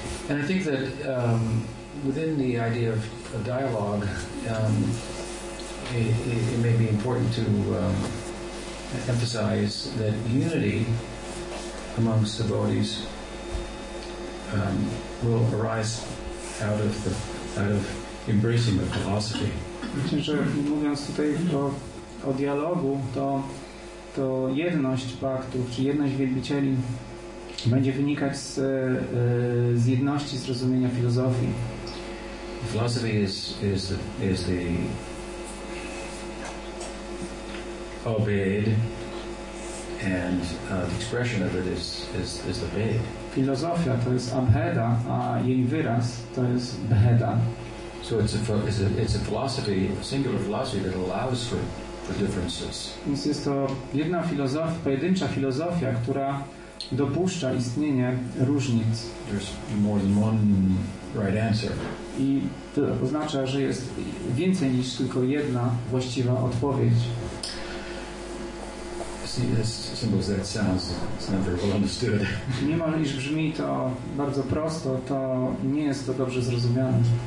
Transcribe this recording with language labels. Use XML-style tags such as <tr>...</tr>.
<en>And I think that within the idea of a dialogue, it may be important to emphasize that unity amongst devotees will arise out of embracing the philosophy.</en> <pl>Myślę, że mówiąc tutaj o dialogu, to jedność faktów, czy jedność wielbicieli będzie wynikać z jedności zrozumienia filozofii.</pl> <en>Philosophy is the obeyed, and the expression of it is the Ved.</en> <pl>Filozofia to jest abheda, a jej wyraz to jest bheda.</pl> <en>So it's a philosophy, a singular philosophy that allows for differences.</en> <pl>Więc jest to jedna filozofia, pojedyncza filozofia, która dopuszcza istnienie różnic.</pl> <en>There's more than one right answer.</en> <pl>I to oznacza, że jest więcej niż tylko jedna właściwa odpowiedź.</pl> <en>See, as simple as that sounds, it's not very well understood.</en> <pl>Mimo iż brzmi to bardzo prosto, to nie jest to dobrze zrozumiane.</pl>